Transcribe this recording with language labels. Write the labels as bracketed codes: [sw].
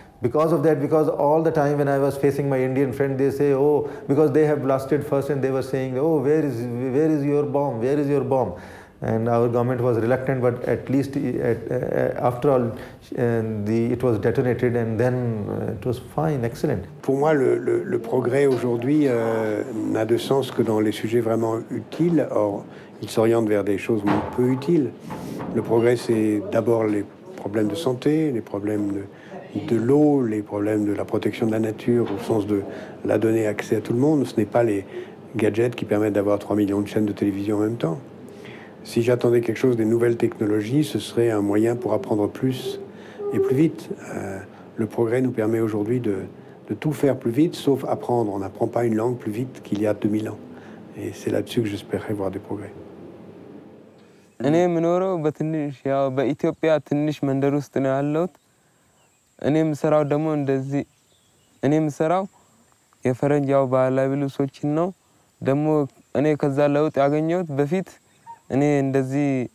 [en] Because of that, because all the time when I was facing my Indian friend, they say, oh, because they have blasted first and they were saying, oh, where is your bomb? Where is your bomb? And our government was reluctant, but at least after all, it was detonated and then it was fine, excellent. [fr] Pour moi, le progrès aujourd'hui n'a de sens que dans les sujets vraiment utiles. Or, il s'oriente vers des choses peu utiles. Le progrès, c'est d'abord les problèmes de santé, les problèmes de l'eau, les problèmes de la protection de la nature, au sens de la donner accès à tout le monde. Ce n'est pas les gadgets qui permettent d'avoir 3 millions de chaînes de télévision en même temps. Si j'attendais quelque chose des nouvelles technologies, ce serait un moyen pour apprendre plus et plus vite. Le progrès nous permet aujourd'hui de tout faire plus vite, sauf apprendre. On n'apprend pas une langue plus vite qu'il y a 2000 ans. Et c'est là-dessus que j'espérais voir des progrès. [am] እኔ ምኖረው በትንሽ ያው በኢትዮጵያ ትንሽ መንደር ውስጥ ነው ያለሁት እኔም ስራው ደሞ እንደዚህ እኔም ስራው የፈረንጅ ያው ባህላዊ ልብሶችን ነው ደሞ እኔ ከዛ ለውጥ ያገኘሁት በፊት እኔ እንደዚህ